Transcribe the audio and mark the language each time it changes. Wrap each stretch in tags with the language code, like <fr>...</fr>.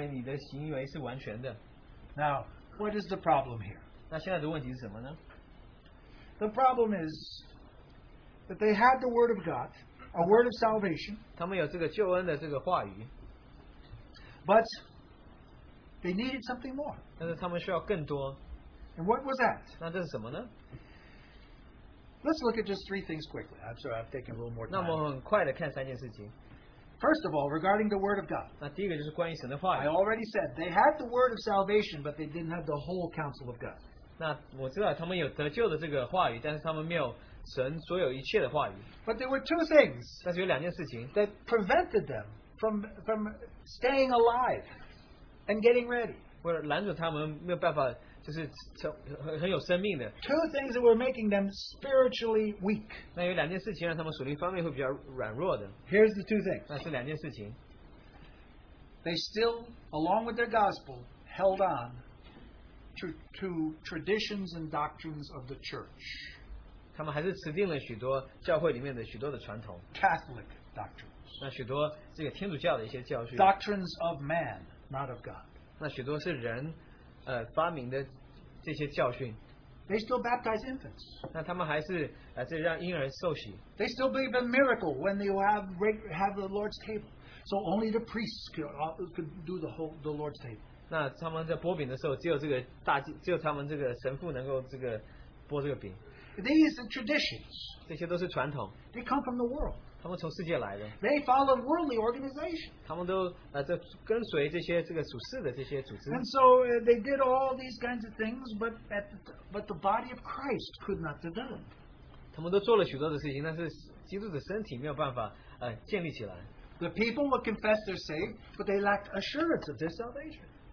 <zh>那我在神面前，我不认为你的行为是完全的。</zh> <en>Now, what is the problem here?</en> <zh>那现在的问题是什么呢？</zh> <en>The problem is that they had the word of God, a word of salvation.</en> <zh>他们有这个救恩的这个话语。</zh> <en>But they needed something more.</en> <zh>但是他们需要更多。</zh> <en>And what was that?</en> <zh>那这是什么呢?</zh> <en>Let's look at just three things quickly. I'm sorry, I've taken a little more time.</en> <zh>那我们很快地看三件事情。</zh> <en>First of all, regarding the word of God.</en> <zh>那第一个就是关于神的话语。</zh> <en>I already said, they had the word of salvation, but they didn't have the whole counsel of God.</en> <zh>那我知道他们有得救的这个话语, 但是他们没有神所有一切的话语。</zh> <en>But there were two things</en> <zh>但是有两件事情,</zh> <en>that prevented them from staying alive and getting ready.</en> <zh>拦住他们没有办法就是很有生命的。</zh> <en>Two things that were making them spiritually weak.</en> <zh>那有两件事情让他们属灵方面会比较软弱的。</zh> <en>Here's the two things.</en> <zh>那是两件事情。</zh> <en>They still, along with their gospel, held on to traditions and doctrines of the church.</en> <zh>他们还是持定了许多教会里面的许多的传统。</zh> <en>Catholic doctrine.</en> <zh>那许多这个天主教的一些教训,</zh> <en>doctrines of man, not of God.</en> <zh>那许多是人, 发明的这些教训,</zh> <en>they still baptize infants.</en> <zh>那他们还是, 这让婴儿受洗,</zh> <en>they still believe in miracle when they have the Lord's table. So only the priests could do the Lord's table.</en> <zh>那他们在拨饼的时候, 只有他们这个神父能够拨这个饼。</zh> <en>These are traditions.</en> <zh>这些都是传统。</zh> <en>They come from the world.</en> <zh>他们从世界来的,</zh> <en>they follow worldly organizations.</en> <zh>他们都跟随这些这个属世的这些组织。</zh> <en>And so they did all these kinds of things, but the body of Christ could not develop.</en> <zh>他们都做了许多的事情, 但是基督的身体没有办法, 建立起来。</zh> <en>The people would confess they're saved, but they lacked assurance of their salvation.</en>